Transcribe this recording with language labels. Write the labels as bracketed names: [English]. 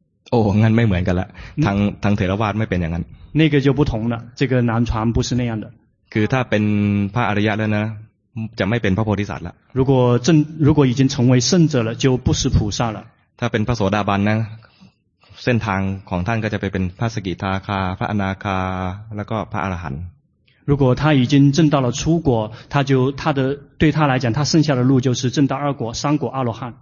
[Thai] โอ้งั้นไม่เหมือนกันละทางเถรวาทไม่เป็นอย่างนั้น [Chinese] 那个就不同了这个南传不是那样的 [Thai] คือถ้าเป็นพระอริยะแล้วนะจะไม่เป็นพระโพธิสัตว์ละ [Chinese] 如果已经成为圣者了就不是菩萨了 [Thai] ถ้าเป็นพระโสดาบันนะเส้นทางของท่านก็จะไปเป็นพระสกิทาคาพระอนาคาแล้วก็พระอรหันต์ [Chinese] 如果他已经证到了初果他就他的对他来讲他剩下的路就是证到二果三果阿罗汉